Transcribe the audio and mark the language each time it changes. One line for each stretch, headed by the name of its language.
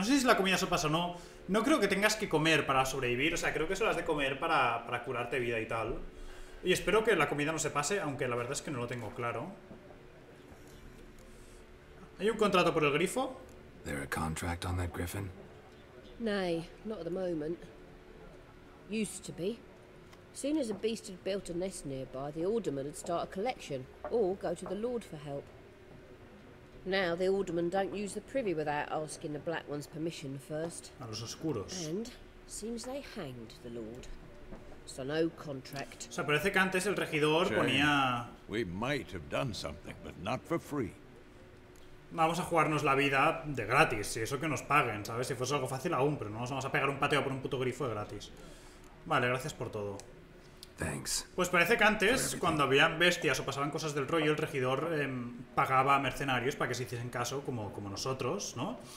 Spanish: No sé si la comida se pasa o no. No creo que tengas que comer para sobrevivir. O sea, creo que solo has de comer para curarte vida y tal. Y espero que la comida no se pase, aunque la verdad es que no lo tengo claro. ¿Hay un contrato por el grifo? ¿Hay un contrato por el grifo?
English: Nay, not at the moment. Used to be. Soon as a beast had built a nest nearby, the alderman would start a collection, or go to the Lord for help. Now the alderman don't use the privy without asking the Black One's permission first.
Spanish: A los oscuros.
English: And seems they hanged the Lord. So no contract.
Spanish: O sea, parece que antes el regidor
English: Shame.
Spanish: Ponía.
English: We might have done something, but not for free.
Spanish: Vamos a jugarnos la vida de gratis, si eso que nos paguen, ¿sabes? Si fuese algo fácil aún, pero no nos vamos a pegar un pateo por un puto grifo de gratis. Vale, gracias por todo.
English: Thanks.
Spanish: Pues parece que antes, cuando había bestias o pasaban cosas del rollo, el regidor pagaba a mercenarios para que se hiciesen caso, como nosotros, ¿no?